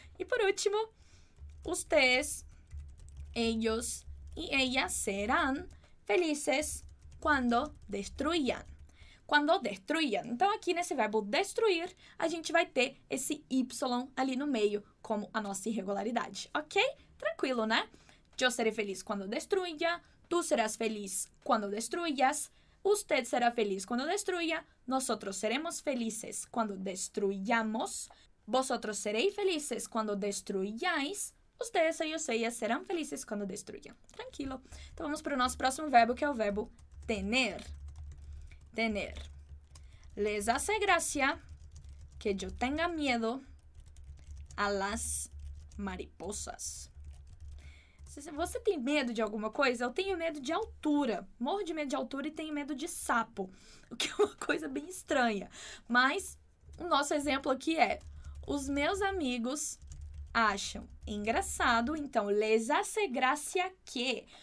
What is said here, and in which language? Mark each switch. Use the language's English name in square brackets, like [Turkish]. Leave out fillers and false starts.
[Spanish] E por último, ustedes, ellos e ellas [Portuguese] serão felizes quando [Spanish] destruyan. Quando destruyan. [Portuguese] Então, aqui nesse verbo destruir, a gente vai ter esse Y ali no meio como a nossa irregularidade, ok? Tranquilo, né? [Spanish] Yo seré feliz cuando destruya. Tú serás feliz cuando destruyas. Usted será feliz cuando destruya. Nosotros seremos felices cuando destruyamos. Vosotros seréis felices cuando destruyáis. Ustedes, ellos, ellas serán felices cuando destruyan. [Portuguese] Tranquilo. Então vamos para o nosso próximo verbo, que é o verbo tener. [Spanish] Tener. Les hace gracia que yo tenga miedo a las mariposas. [Portuguese] Você tem medo de alguma coisa? Eu tenho medo de altura. Morro de medo de altura e tenho medo de sapo. O que é uma coisa bem estranha. Mas o nosso exemplo aqui é: os meus amigos acham engraçado, então [Spanish] les hace gracia que.